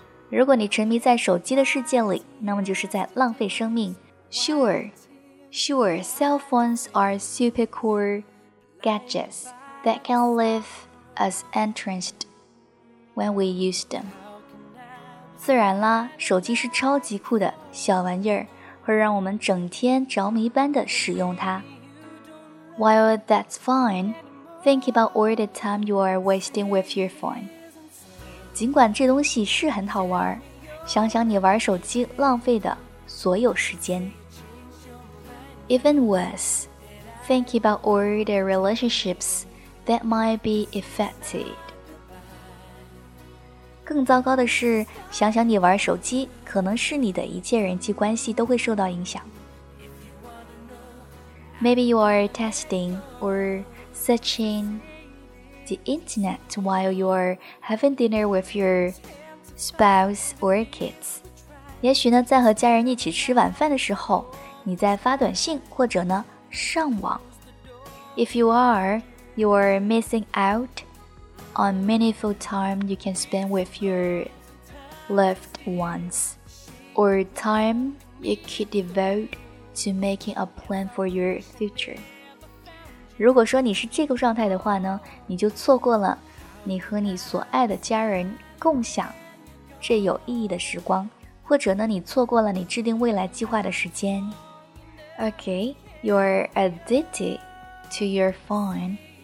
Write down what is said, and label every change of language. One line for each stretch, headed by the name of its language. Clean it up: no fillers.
Chinese: 如果你沉迷在手机的世界里，那么就是在浪费生命。
English: Sure, cell phones are super cool gadgets that can live as entranced when we use them.
Chinese: 自然啦，手机是超级酷的小玩意儿，会让我们整天着迷般的使用它。
English: While that's fine, think about all the time you are wasting with your phone.
Chinese: 尽管这东西是很好玩，想想你玩手机浪费的所有时间。
English: Even worse, think about all the relationships that might be affected.
Chinese: 更糟糕的是，想想你玩手机，可能是你的一切人际关系都会受到影响。
English: Maybe you are testing or searching the internet while you are having dinner with your spouse or kids.
Chinese: 也许呢，在和家人一起吃晚饭的时候，你在发短信或者呢上网。
English: If you are missing out on meaningful time you can spend with your loved ones, or time you could devote to making a plan for your future.
Chinese: 如果说你是这个状态的话呢，你就错过了你和你所爱的家人共享这有意义的时光，或者呢你错过了你制定未来计划的时间。
English: Okay, you're addicted to your phone.